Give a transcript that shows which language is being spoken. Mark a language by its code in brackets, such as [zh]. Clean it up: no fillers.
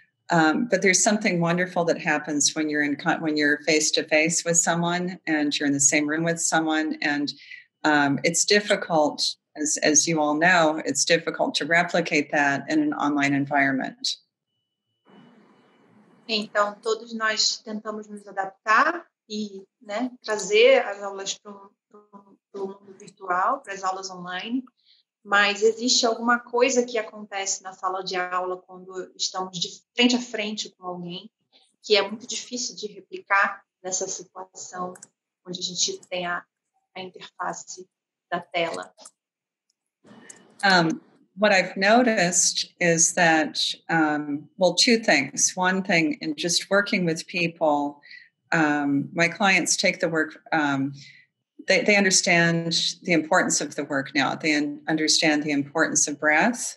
[en] But there's something wonderful that happens when you're in when you're face to face with someone and you're in the same room with someone. And it's difficult, as you all know, it's difficult to replicate that in an online environment. [pt] Então, todos nós tentamos nos adaptar e, né, trazer as aulas para o mundo virtual, para as aulas online. Mas existe alguma coisa que acontece na sala de aula quando estamos de frente a frente com alguém que é muito difícil de replicar nessa situação onde a gente tem a interface da tela. [en] What I've noticed is that, well, two things. One thing, in just working with people, my clients take the work... They understand the importance of the work now. They understand the importance of breath.